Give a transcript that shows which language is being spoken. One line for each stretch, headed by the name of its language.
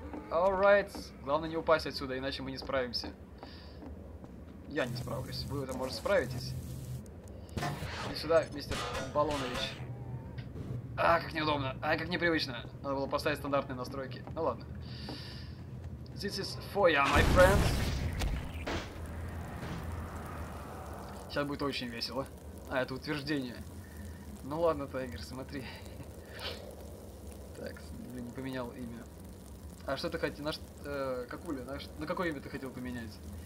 English: Alright.
Russian: Главное не упасть отсюда, иначе мы не справимся. Я не справлюсь. Вы это, может, справитесь? И сюда, мистер Балонович. А, как неудобно. А, как непривычно. Надо было поставить стандартные настройки. Ну ладно.
English: This is for you, my friend.
Russian: Сейчас будет очень весело. А, это утверждение. Ну ладно, Тайгер, смотри. Так, блин, не поменял имя. А что ты хотел? Наш... какуля, наш... На какое имя ты хотел поменять?